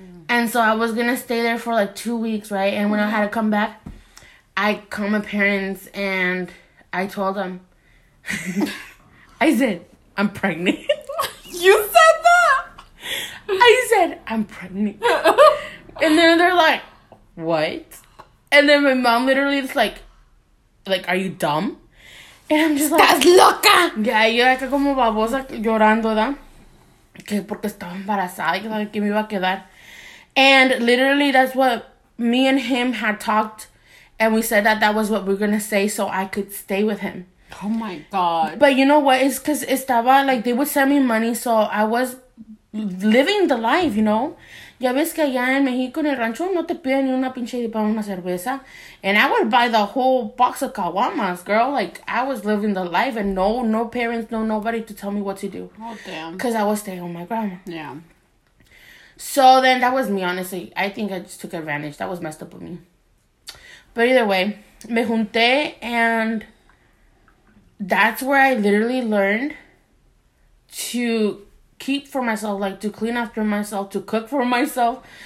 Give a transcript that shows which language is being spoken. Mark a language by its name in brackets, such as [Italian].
[English] And so I was going to stay there for like 2 weeks, right? And when I had to come back, I called my parents and I told them, I said, I'm pregnant. You said that? I said, I'm pregnant. And then they're like, what? And then my mom literally is like, are you dumb? And I'm just like, [Spanish] ¿estás loca? [English] Yeah, [Spanish] yo acá como babosa llorando, ¿da? Que porque estaba embarazada y que me iba a quedar. [English] And literally that's what me and him had talked. And we said that was what we were going to say so I could stay with him. Oh, my God. But you know what? It's because [Spanish] estaba, [English] like, they would send me money, so I was living the life, you know? [Spanish] Ya ves que allá en México, en el rancho, no te piden ni una pinche de pan, una cerveza. [English] And I would buy the whole box of caguamas, girl. Like, I was living the life, and no parents, no nobody to tell me what to do. Oh, damn. Because I was staying with my grandma. Yeah. So then that was me, honestly. I think I just took advantage. That was messed up with me. But either way, [Spanish] me junté, [English] and that's where I literally learned to keep for myself, like, to clean after myself, to cook for myself.